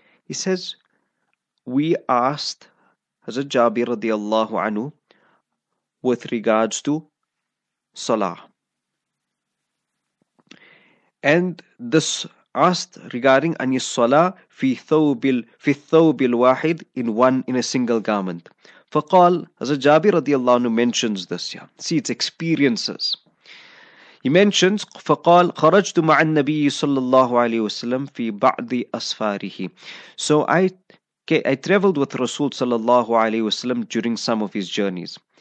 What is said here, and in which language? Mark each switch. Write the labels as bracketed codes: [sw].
[en] He says, we asked Hazrat Jabir radiallahu anhu with regards to Salah. And this asked regarding [ar] Anis Salah fi thawbil wahid, [en] in a single garment. Faqal, Hazrat Jabir radiallahu anhu mentions this. Yeah. See, it's experiences. He mentions, [ar] فَقَالْ خَرَجْتُ مَعَ النَّبِيِّ صَلَّى اللَّهُ عَلَيْهِ وَسَلَّمْ فِي بَعْضِ أَصْفَارِهِ. [en] So I traveled with Rasul sallallahu alayhi wa sallam during some of his journeys.